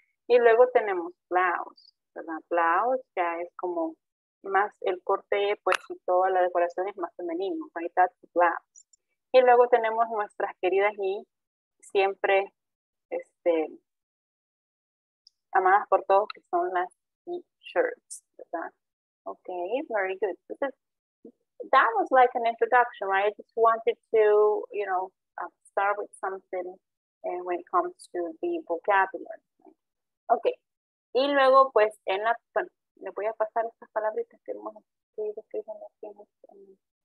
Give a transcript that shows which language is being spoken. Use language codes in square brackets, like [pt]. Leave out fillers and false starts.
[es] Y luego tenemos blouse, ¿verdad? Blouse ya es como más el corte, pues, y toda la decoración es más femenino, right? [en] That's blouse. [es] Y luego tenemos nuestras queridas y siempre amadas por todos, que son las t-shirts, ¿verdad? [en] Okay, very good. That was like an introduction, right? I just wanted to, you know, start with something when it comes to the vocabulary. [es] Okay, y luego pues en la, bueno, le voy a pasar estas palabritas que hemos escrito aquí en los fines.